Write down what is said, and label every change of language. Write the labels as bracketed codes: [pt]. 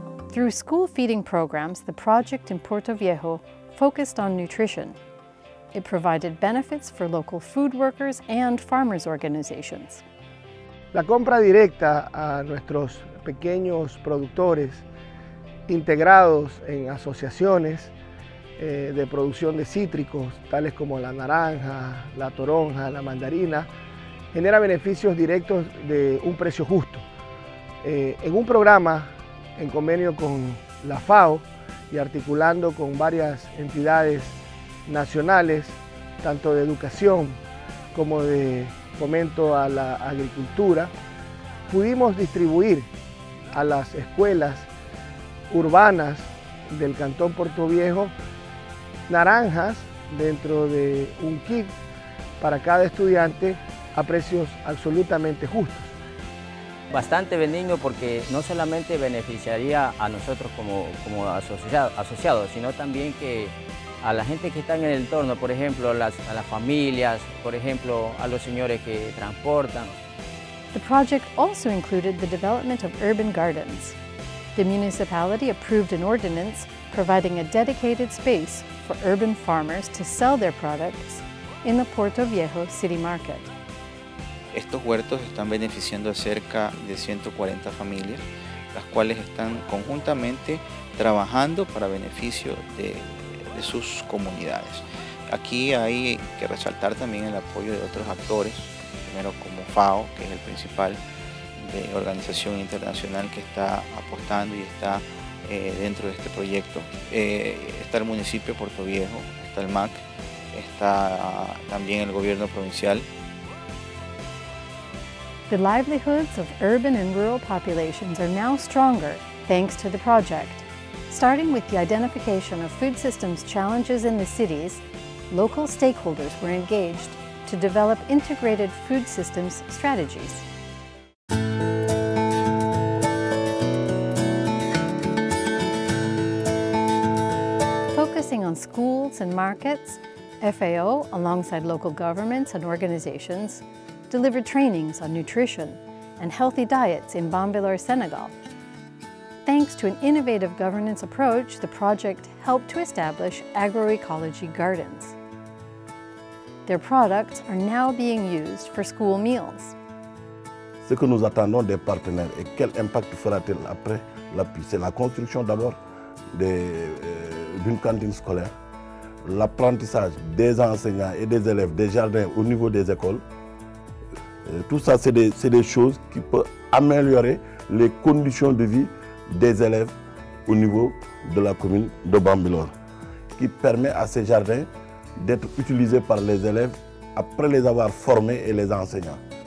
[en] Through school feeding programs, the project in Portoviejo focused on nutrition. It provided benefits for local food workers and farmers' organizations. [es] La compra directa a nuestros pequeños productores integrados en asociaciones de producción de cítricos, tales como la naranja, la toronja, la mandarina, genera beneficios directos de un precio justo. En un programa, en convenio con la FAO y articulando con varias entidades nacionales, tanto de educación como de fomento a la agricultura, pudimos distribuir a las escuelas urbanas del Cantón Portoviejo naranjas dentro de un kit para cada estudiante a precios absolutamente justos. Bastante benigno porque no solamente beneficiaría a nosotros como asociados, sino también que a la gente que está en el entorno, por ejemplo, a las familias, por ejemplo, a los señores que transportan. [en] The project also included the development of urban gardens. The municipality approved an ordinance providing a dedicated space for urban farmers to sell their products in the Portoviejo city market. [es] Estos huertos están beneficiando a cerca de 140 familias, las cuales están conjuntamente trabajando para beneficio de sus comunidades. Aquí hay que resaltar también el apoyo de otros actores, primero como FAO, que es el principal de organización internacional que está apostando y está dentro de este proyecto. Está el municipio de Portoviejo, está el MAC, está también el gobierno provincial. [en] The livelihoods of urban and rural populations are now stronger thanks to the project. Starting with the identification of food systems challenges in the cities, local stakeholders were engaged to develop integrated food systems strategies. Focusing on schools and markets, FAO, alongside local governments and organizations, delivered trainings on nutrition and healthy diets in Bambilor, Senegal. Thanks to an innovative governance approach, the project helped to establish agroecology gardens. Their products are now being used for school meals. [fr] Ce que nous attendons des partenaires et quel impact fera-t-il après l'appui, c'est la construction d'abord d'une cantine scolaire, l'apprentissage des enseignants et des élèves des jardins au niveau des écoles. Tout ça, c'est des choses qui peuvent améliorer les conditions de vie des élèves au niveau de la commune de Bambilor, qui permet à ces jardins d'être utilisés par les élèves après les avoir formés et les enseignants.